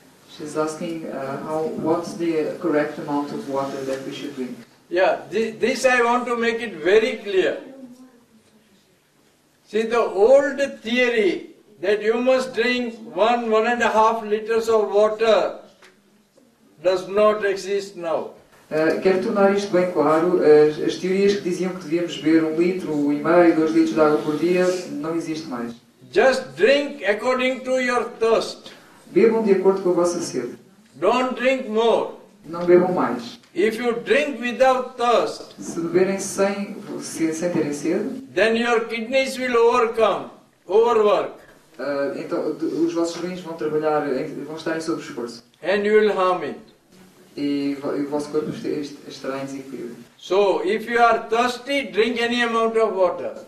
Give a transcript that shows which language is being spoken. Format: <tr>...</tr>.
<en>She's asking what's the correct amount of water that we should drink? Yeah, this I want to make it very clear. See, the old theory that you must drink 1.5 liters of water does not exist now.</en> <pt>Quero tornar isto bem claro, as teorias que diziam que devíamos beber 1.5 litros, 2 litros de água por dia, não existe mais.</pt> <en>Just drink according to your thirst.</en> <pt>Bebam de acordo com a vossa sede.</pt> <en>Don't drink more.</en> <pt>Não bebam mais.</pt> <en>If you drink without thirst,</en> <pt>se beberem sem terem sede,</pt> <en>then your kidneys will overwork.</en> <pt>Então os vossos rins vão trabalhar, vão estar em sobre-esforço.</pt> <en>And you will harm it.</en> <pt>E o vosso corpo estará em desequilíbrio.</pt> <en>So, if you are thirsty, drink any amount of water.</en>